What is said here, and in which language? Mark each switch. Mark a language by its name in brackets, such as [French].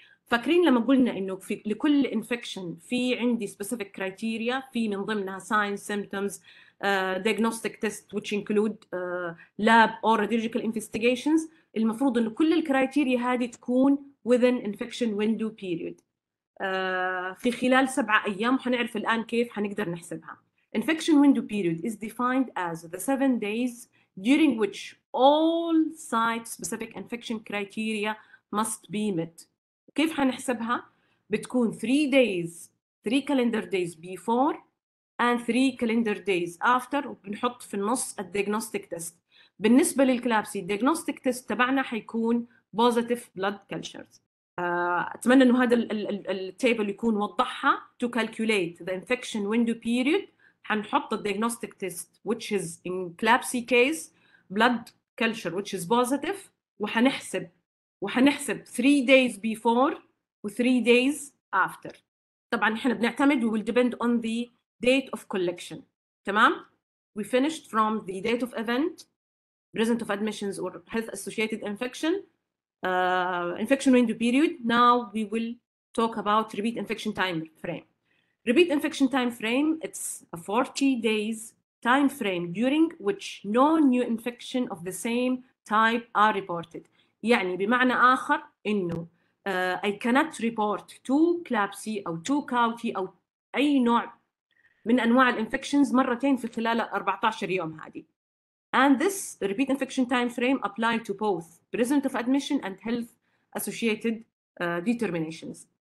[Arabic] فاكرين لما قلنا إنه في لكل [English] infection [Arabic] في عندي [English] specific criteria, [Arabic] في من ضمنها [English] signs, symptoms, diagnostic tests which include lab or radiological investigations. [Arabic] المفروض إنه كل الكرايتيريا هذه تكون [English] within infection window period. [Arabic] في خلال 7 أيام, وحنعرف الآن كيف حنقدر نحسبها. [English] Infection window period is defined as the 7 days during which all site-specific infection criteria must be met. [Arabic] كيف حنحسبها؟ بتكون [English] 3 days, 3 calendar days before and 3 calendar days after, [Arabic] وبنحط في النص الـ [English] diagnostic test. [Arabic] بالنسبة للكلابسي, [English] diagnostic test [Arabic] تبعنا حيكون [English] positive blood cultures. [Arabic] أتمنى أنه هذا الـ table يكون وضحها. [English] To calculate the infection window period, [Arabic] حنحط الـ [English] diagnostic test, which is in CLABSI case, blood culture, which is positive, [Arabic] وحنحسب [English] 3 days before و 3 days after. [Arabic] طبعا احنا بنعتمد, [English] we will depend on the date of collection. [Arabic] تمام؟ [English] We finished from the date of event, present of admissions or health associated infection, infection window period. Now we will talk about repeat infection time frame. Repeat infection time frame, it's a 40 days time frame during which no new infection of the same type are reported. [Arabic] يعني بمعنى آخر إنه [English] I cannot report two CLABSI [Arabic] أو [English] two CAUTI [Arabic] أو أي نوع من أنواع الانفكشنز مرتين في خلال 14 يوم هذه. [English] And this repeat infection time frame apply to both present of admission and health associated determinations.